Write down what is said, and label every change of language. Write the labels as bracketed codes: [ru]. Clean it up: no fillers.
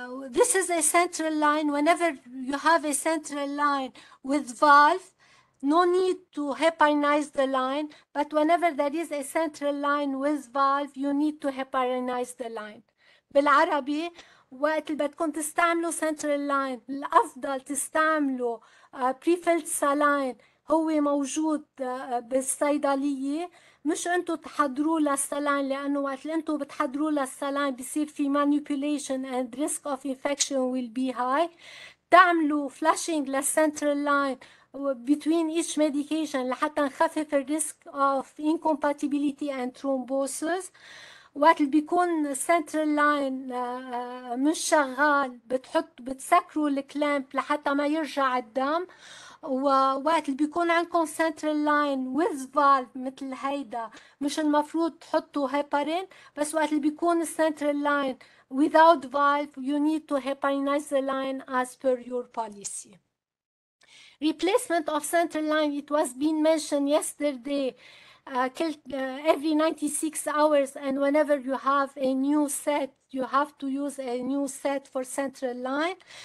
[en] This is a central line. Whenever you have a central line with valve, no need to heparinize the line, but whenever there is a central line with valve, you need to heparinize the line. [ar] بالعربي وقت اللي بدكم تستعملوا central line الأفضل تستعملوا prefilled saline هو موجود بالصيدلية مش انتو تحضروا للسلاين لانه وقت اللي انتو بتحضروا للسلاين بصير في [en] manipulation and risk of infection will be high. [ar] تعملوا flushing للcentral line [en] between each medication [ar] لحتى نخفف الريسك [en] of incompatibility and thrombosis. [ar] وقت اللي بيكون central line مش شغال بتسكروا الكلامب لحتى ما يرجع الدم. ووقت اللي بيكون عندكم [en] central line with valve [ar] مثل هيدا مش المفروض تحطوا [en] heparin, [ar] بس وقت اللي بيكون [en] central line without valve you need to heparinize the line as per your policy. Replacement of central line, it was being mentioned yesterday, every 96 hours and whenever you have a new set you have to use a new set for central line.